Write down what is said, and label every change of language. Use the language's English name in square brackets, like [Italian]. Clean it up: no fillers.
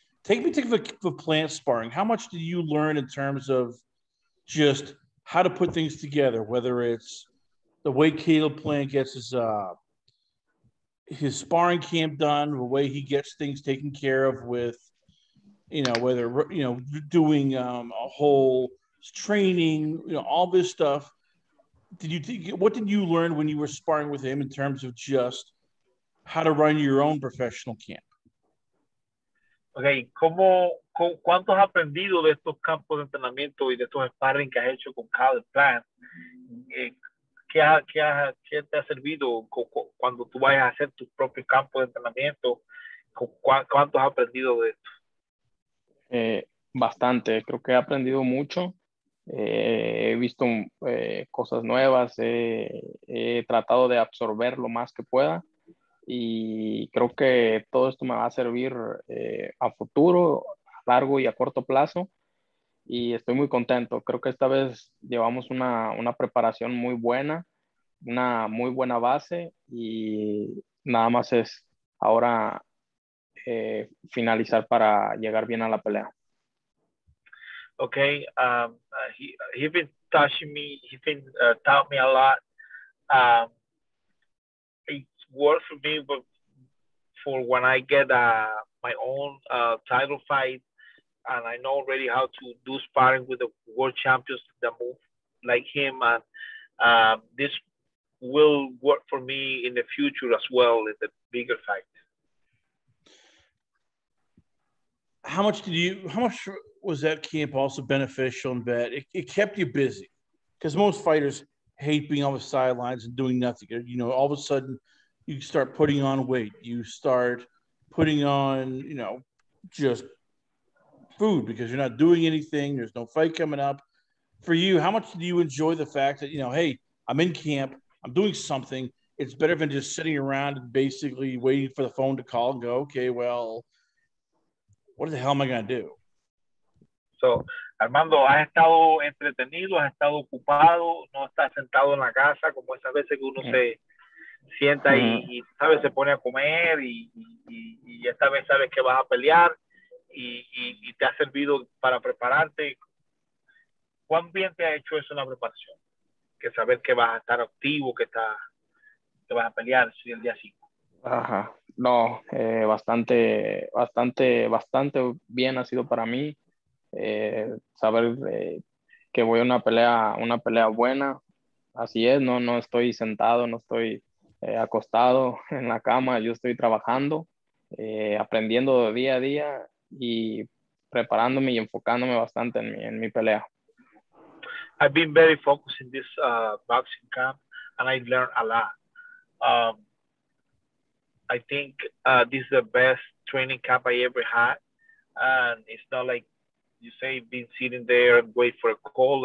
[English] Take me to the Plant sparring. How much do you learn in terms of just how to put things together, whether it's the way Caleb Plant gets his sparring camp done, the way he gets things taken care of with, doing a whole training, all this stuff. What did you learn when you were sparring with him in terms of just how to run your own professional camp? [Spanish] Okay, ¿cuánto has aprendido de estos campos de entrenamiento y de estos sparring que has hecho con Caleb Plant? ¿Qué te ha servido cuando tú vayas a hacer tus propios campos de entrenamiento? ¿Cuánto has aprendido de esto? Bastante. Creo que he aprendido mucho. He visto cosas nuevas. He tratado de absorber lo más que pueda. Y creo que todo esto me va a servir a futuro, a largo y a corto plazo. Y estoy muy contento. Creo que esta vez llevamos una preparación muy buena, una muy buena base, y nada más es ahora finalizar para llegar bien a la pelea. [English] Okay, he's been touching me, he's been taught me a lot. It's worth for me, but for when I get my own title fight, and I know already how to do sparring with the world champions that move like him, and this will work for me in the future as well in the bigger fight. How much was that camp also beneficial in that it kept you busy? Because most fighters hate being on the sidelines and doing nothing. All of a sudden you start putting on weight, you start putting on, just food because you're not doing anything, there's no fight coming up. For you, how much do you enjoy the fact that, hey, I'm in camp, I'm doing something? It's better than just sitting around and basically waiting for the phone to call and go, okay, well, what the hell am I going to do? [Spanish] So, Armando, has estado entretenido, has estado ocupado, no estás sentado en la casa, como esas veces que uno se sienta y se pone a comer y esta vez sabes que vas a pelear y te ha servido para prepararte. ¿Cuán bien te ha hecho eso en la preparación? Que saber que vas a estar activo, que vas a pelear el día 5. Ajá. No, bastante, bastante, bastante bien ha sido para mí. Saber que voy a una pelea buena. Así es, no estoy sentado, no estoy acostado en la cama. Yo estoy trabajando, aprendiendo día a día y preparándome y enfocándome bastante en mi pelea. [English] I've been very focused in this boxing camp, and I learned a lot. I think this is the best training camp I ever had. And it's not like you say, been sitting there and wait for a call.